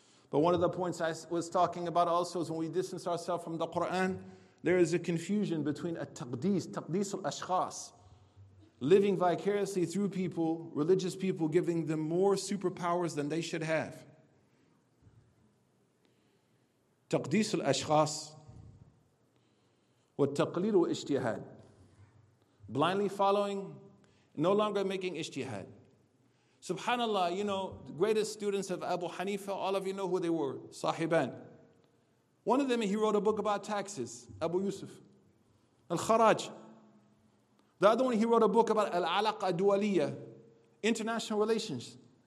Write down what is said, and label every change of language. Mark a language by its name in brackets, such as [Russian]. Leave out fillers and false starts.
[English] But one of the points I was talking about also is when we distance ourselves from the Quran, there is a confusion between a taqdis, [Arabic] taqdis al-ashkhas, [English] living vicariously through people, religious people, giving them more superpowers than they should have. [Arabic] تقديس الأشخاص والتقليل والاجتهاد. [English] Blindly following, no longer making ijtihad. SubhanAllah, you know, the greatest students of Abu Hanifa, all of you know who they were, Sahiban. One of them, he wrote a book about taxes, Abu Yusuf. Al-Kharaj. The other one, he wrote a book about Al-Alaqa Dualiyya, international relations.